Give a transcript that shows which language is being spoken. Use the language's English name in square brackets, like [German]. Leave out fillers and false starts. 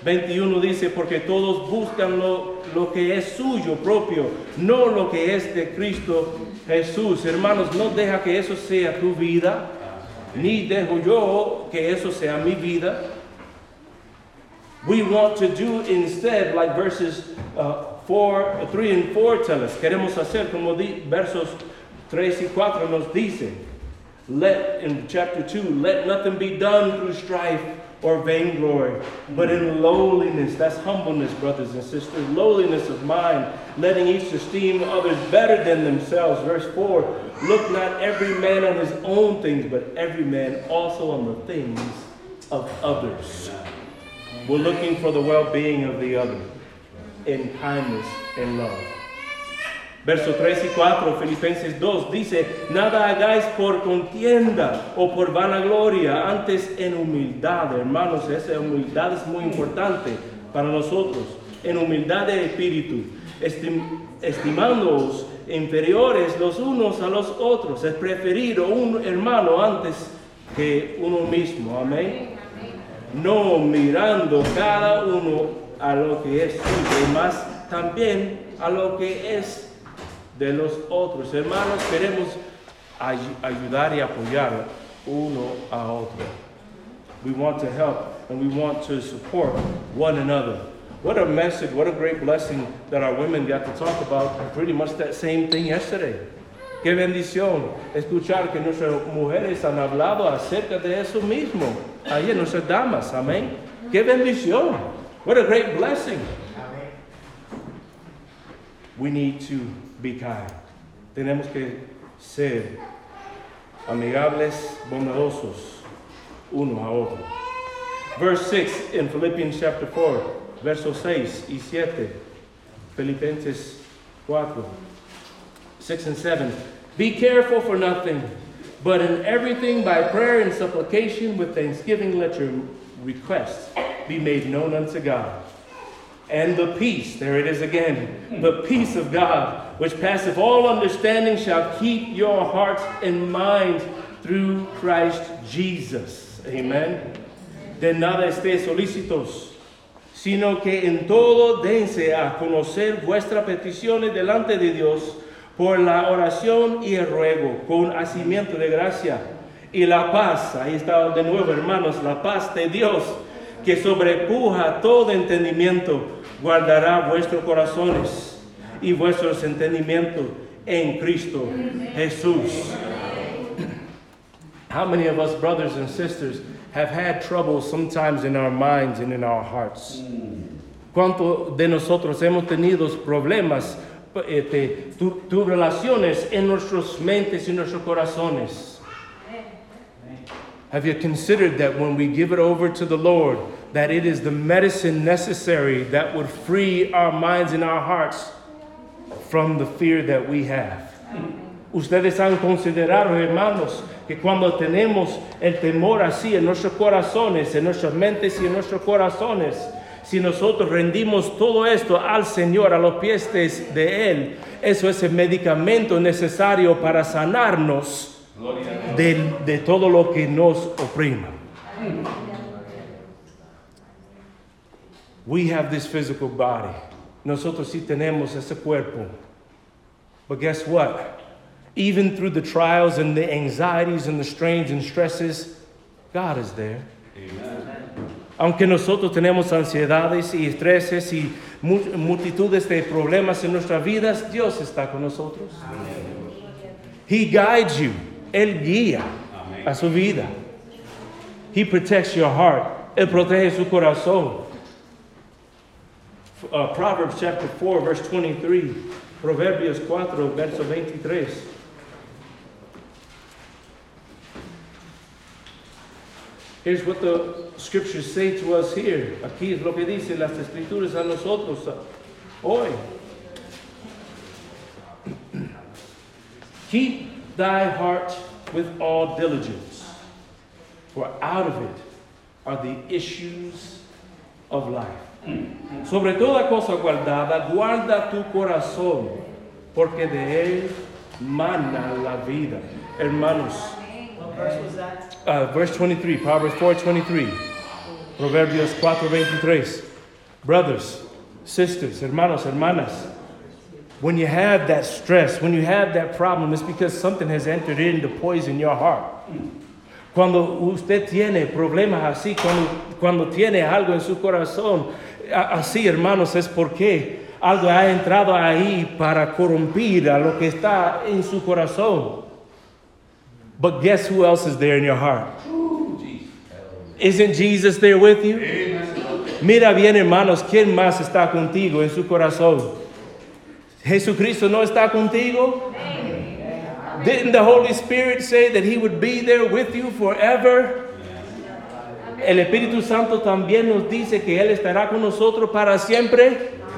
[Spanish] 21 dice, porque todos buscan lo que es suyo propio, no lo que es de Cristo Jesús. Hermanos, no deja que eso sea tu vida, ni dejo yo que eso sea mi vida. [English] We want to do instead, like verses 3 and 4 tell us. [Spanish] Queremos hacer como versos 3 y 4 nos dicen. [English] Let, in chapter 2, let nothing be done through strife or vainglory, but in lowliness, that's humbleness, brothers and sisters, lowliness of mind, letting each esteem others better than themselves. Verse 4, look not every man on his own things, but every man also on the things of others. We're looking for the well-being of the other in kindness and love. [Spanish] Verso 3 y 4, Filipenses 2, dice, nada hagáis por contienda o por vanagloria, antes en humildad, hermanos, esa humildad es muy importante para nosotros, en humildad de espíritu, estimándoos inferiores los unos a los otros, es preferir un hermano antes que uno mismo, amén. No mirando cada uno a lo que es suyo, más también a lo que es de los otros. Hermanos, queremos ayudar y apoyar uno a otro. [English] We want to help and we want to support one another. What a message, what a great blessing that our women got to talk about pretty much that same thing yesterday. [Spanish] Qué bendición escuchar que nuestras mujeres han hablado acerca de eso mismo. Ayer, nuestras damas, amén. Qué bendición. [English] What a great blessing. We need to be kind. [Spanish] Tenemos que ser amigables, bondadosos, uno a otro. [English] Verse 6 in Philippians chapter 4, [Spanish] versos 6 y 7, Filipenses 4, [English] 6 and 7. Be careful for nothing, but in everything by prayer and supplication with thanksgiving let your requests be made known unto God. And the peace, there it is again, the peace of God, which passeth all understanding, shall keep your hearts and minds through Christ Jesus. Amen. [Spanish] De nada estéis solícitos, sino que en todo dense a conocer vuestras peticiones delante de Dios por la oración y el ruego, con hacimiento de gracia. Y la paz, ahí está de nuevo, hermanos, la paz de Dios, que sobrepuja todo entendimiento, guardará vuestros corazones y vuestros entendimientos en Cristo Jesús. [English] How many of us, brothers and sisters, have had trouble sometimes in our minds and in our hearts? [Spanish] ¿Cuánto de nosotros hemos tenido problemas, tus relaciones en nuestras mentes y nuestros corazones? [English] Have you considered that when we give it over to the Lord, that it is the medicine necessary that would free our minds and our hearts from the fear that we have? [Spanish] Ustedes han considerado, hermanos, que cuando tenemos el temor así en nuestros corazones, en nuestras mentes y en nuestros corazones, si nosotros rendimos todo esto al Señor, a los pies de Él, eso es el medicamento necesario para sanarnos de todo lo que nos oprima. [English] We have this physical body. [Spanish] Nosotros sí tenemos ese cuerpo. [English] But guess what? Even through the trials and the anxieties and the strains and stresses, God is there. Amen. [Spanish] Aunque nosotros tenemos ansiedades y estreses y multitudes de problemas en nuestras vidas, Dios está con nosotros. [English] Amen. He guides you. [Spanish] Él guía a su vida. [English] He protects your heart. [Spanish] Él protege su corazón. [English] Proverbs chapter 4, verse 23. [Spanish] Proverbios 4, verso 23. [English] Here's what the scriptures say to us here. [Spanish] Aquí es lo que dicen las escrituras a nosotros hoy. [English] Keep thy heart with all diligence, for out of it are the issues of life. [Spanish] Sobre toda cosa guardada, guarda tu corazón, porque de él mana la vida. Hermanos, [English] what verse was that? Verse 23, Proverbs 4:23. [Spanish] Proverbios 4:23. [English] Brothers, sisters, [Spanish] hermanos, hermanas, [English] when you have that stress, when you have that problem, it's because something has entered in to poison your heart. [Spanish] Cuando usted tiene problemas así, cuando tiene algo en su corazón, así, hermanos, es porque algo ha entrado ahí para corrompir a lo que está en su corazón. [English] But guess who else is there in your heart? Isn't Jesus there with you? [Spanish] Mira bien, hermanos, ¿quién más está contigo en su corazón? ¿Jesucristo no está contigo? [English] Didn't the Holy Spirit say that he would be there with you forever? [Spanish] El Espíritu Santo también nos dice que él estará con nosotros para siempre.